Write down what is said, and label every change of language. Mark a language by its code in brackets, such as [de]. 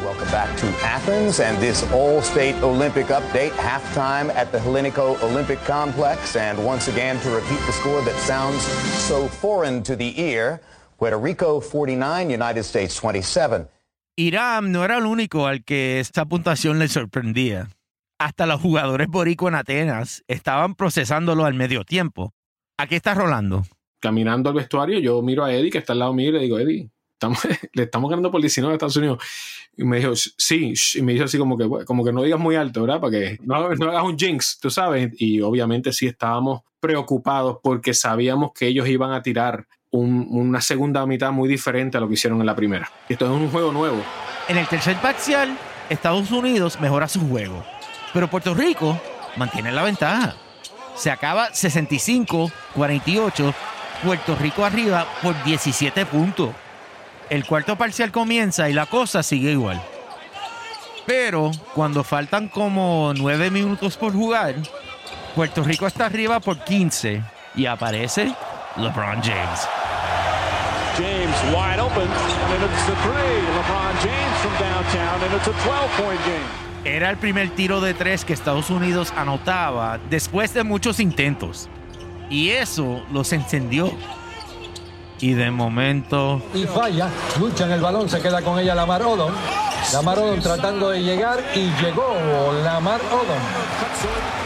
[en] Back to Athens and this All-State Olympic update. Halftime at the Hellenico Olympic Complex. And once again, to repeat the score that sounds so foreign to the ear, Puerto Rico 49, United States 27. [es] Irán no era el único al que esta puntuación le sorprendía. Hasta los jugadores boricua en Atenas estaban procesándolo al medio tiempo. ¿A qué estás rolando? Caminando al vestuario, yo miro a Eddie, que está al lado mío, y le digo, Eddie, le estamos ganando por 19 a Estados Unidos. Y me dijo, sí, y me dijo así como que no digas muy alto, ¿verdad? Para que no hagas un jinx, tú sabes. Y obviamente sí estábamos preocupados porque sabíamos que ellos iban a tirar una segunda mitad muy diferente a lo que hicieron en la primera. Esto es un juego nuevo. En el tercer parcial, Estados Unidos mejora su juego, pero Puerto Rico mantiene la ventaja. Se acaba 65-48, Puerto Rico arriba por 17 puntos. El cuarto parcial comienza y la cosa sigue igual. Pero cuando faltan como 9 minutos por jugar, Puerto Rico está arriba por 15 y aparece LeBron James. [en] James wide open and it's a three. LeBron James from downtown and it's a 12-point game. [es] Era el primer tiro de 3 que Estados Unidos anotaba después de muchos intentos. Y eso los encendió. Y de momento... Y falla, lucha en el balón, se queda con ella Lamar Odom. Lamar Odom tratando de llegar y llegó Lamar Odom.